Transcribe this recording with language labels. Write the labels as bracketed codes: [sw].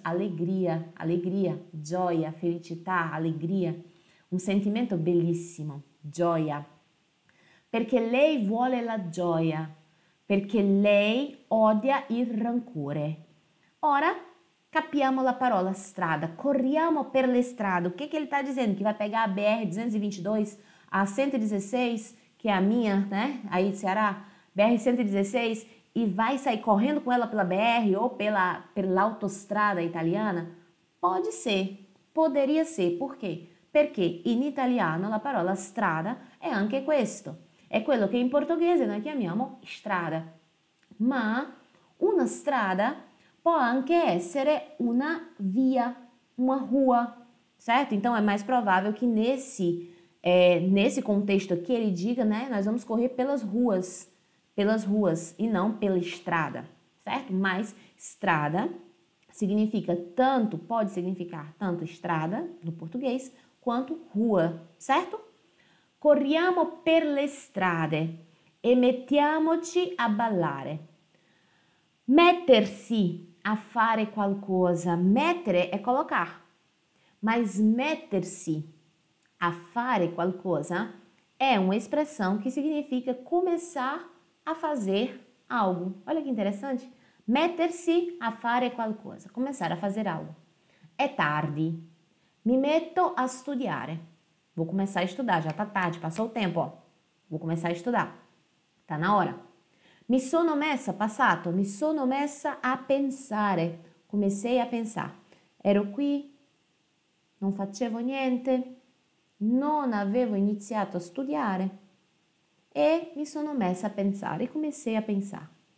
[it] Alegria, gioia, felicità, alegria. Un sentimento bellissimo, gioia. Perché lei vuole la gioia, perché lei odia il rancore. Ora capiamo la parola strada, corriamo per le strade. [pt] O que ele está dizendo? Que vai pegar a BR-222, a 116, que é a minha, né? Aí do Ceará, BR-116, e vai sair correndo com ela pela BR ou pela autostrada italiana? Pode ser, poderia ser, por quê? [it] Perché in italiano la parola strada è anche questo, è quello che in portoghese noi chiamiamo strada. Ma una strada può anche essere una via, una rua, certo? [pt] Então è mais provável che nesse contesto aqui ele diga, né? Nós vamos correr pelas ruas e não pela estrada, certo? Mas estrada significa tanto, pode significar tanto estrada no português quanto rua, certo? [it] Corriamo per le strade e mettiamoci a ballare. Mettersi a fare qualcosa, mettere è colocar, mas mettersi a fare qualcosa è un'espressione che significa [pt] começar a fazer algo. Olha che interessante. [it] Mettersi a fare qualcosa, [pt] começar a fazer algo. [it] È tardi. Mi metto a studiare. [pt] Vou começar a estudar, já tá tarde, passou o tempo, ó. Vou começar a estudar. Tá na hora. [it] Mi sono messa, passato, mi sono messa a pensare. [pt] Comecei a pensar. [it] Ero qui, non facevo niente. Non avevo iniziato a studiare e mi sono messa a pensare, [pt] comecei a pensare.